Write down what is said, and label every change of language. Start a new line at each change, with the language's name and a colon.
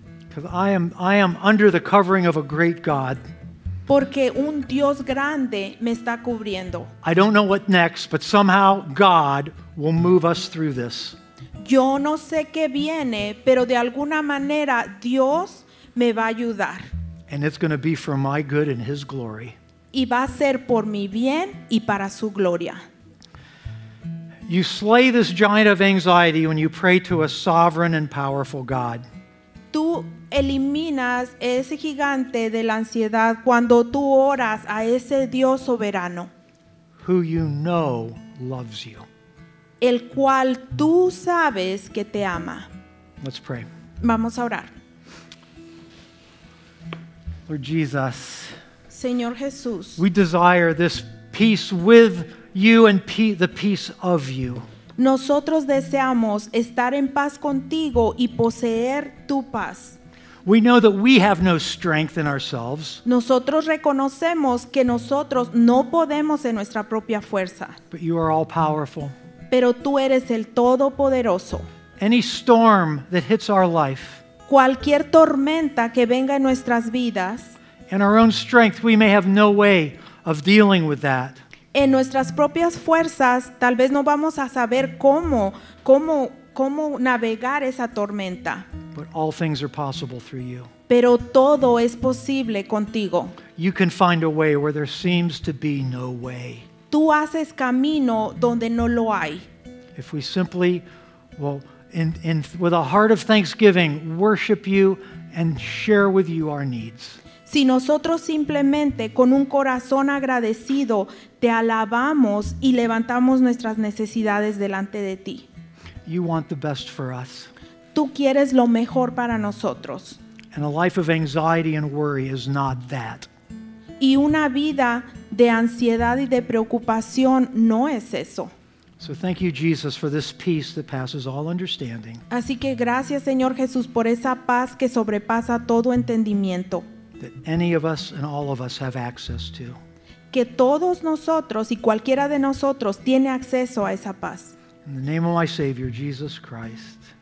English: Because I am under the covering of a great God.
Spanish: Porque un Dios grande me está cubriendo.
English: I don't know what next, but somehow God will move us through this.
Spanish: Yo no sé qué viene, pero de alguna manera Dios me va a ayudar.
English: And it's going to be for my good and His glory.
Spanish: Y va a ser por mi bien y para su gloria.
English: You slay this giant of anxiety when you pray to a sovereign and powerful God.
Spanish: Tú eliminas ese gigante de la ansiedad cuando tú oras a ese Dios soberano.
English: Who you know loves you.
Spanish: El cual tú sabes que te ama.
English: Let's pray.
Spanish: Vamos a orar.
English: Lord Jesus.
Spanish: Señor Jesús.
English: We desire this peace with you and the peace of you.
Spanish: Nosotros deseamos estar en paz contigo y poseer tu paz.
English: We know that we have no strength in ourselves.
Spanish: Nosotros reconocemos que nosotros no podemos en nuestra propia fuerza.
English: But you are all powerful.
Spanish: Pero tú eres el Todopoderoso.
English: Any storm that hits our life,
Spanish: cualquier tormenta que venga en nuestras vidas,
English: in our own strength, we may have no way of dealing with that.
Spanish: En nuestras propias fuerzas, tal vez no vamos a saber cómo navegar esa tormenta.
English: But all things are possible through you.
Spanish: Pero todo es posible contigo.
English: You can find a way where there seems to be no way.
Spanish: Tú haces camino donde no lo hay.
English: If we simply, well, in with a heart of thanksgiving, worship you and share with you our needs.
Spanish: Si nosotros simplemente con un corazón agradecido te alabamos y levantamos nuestras necesidades delante de ti.
English: You want the best for us.
Spanish: Tú quieres lo mejor para nosotros.
English: And a life of anxiety and worry is not that.
Spanish: Y una vida de ansiedad y de preocupación no es eso.
English: So thank you, Jesus, for this peace that passes all understanding.
Spanish: Así que gracias, Señor Jesús, por esa paz que sobrepasa todo entendimiento.
English: That any of us and all of us have access to.
Spanish: Que todos nosotros y cualquiera de nosotros tiene acceso a esa paz.
English: In the name of my Savior, Jesus Christ.